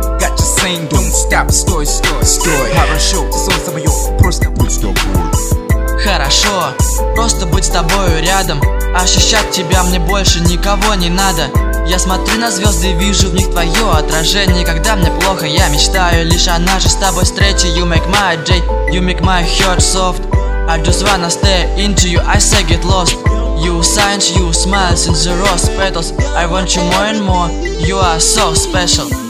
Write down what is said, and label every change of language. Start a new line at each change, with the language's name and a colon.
English: Got you saying, don't stop. Story, story, story.
Russian: Хорошо, ты со мной, просто будь с тобой. Хорошо, просто быть с тобою рядом. Ощущать тебя мне больше никого не надо. Я смотрю на звезды и вижу в них твое отражение. Когда мне плохо, я мечтаю лишь о нашей с тобой встрече.
English: You make my day, you make my heart soft. I just wanna stare into you, I say get lost. You signs, you smiles in the rose petals. I want you more and more, you are so special.